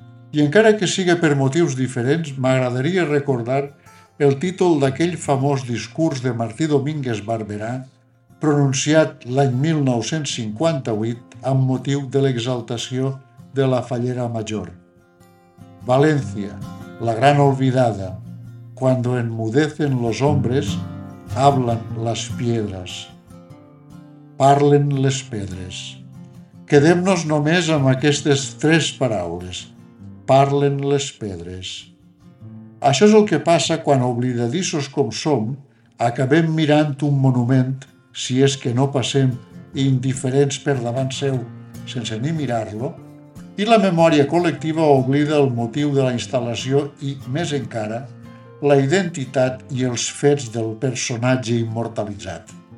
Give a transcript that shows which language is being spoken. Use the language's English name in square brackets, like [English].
[Catalan] I encara que siga per motius diferents, m'agradaria recordar el títol d'aquell famós discurs de Martí Domínguez Barberà, pronunciat l'any 1958 amb motiu de l'exaltació de la Fallera Major. [Spanish] València, la gran olvidada, cuando enmudecen los hombres, hablan las piedras. [Catalan] Parlen les pedres. Quedem-nos només amb aquestes tres paraules. Parlen les pedres. Això és el que passa quan oblidadissos com som acabem mirant un monument, si és que no passem indiferents per davant seu sense ni mirar-lo, i la memòria col·lectiva oblida el motiu de la instal·lació i, més encara, la identitat i els fets del personatge immortalitzat.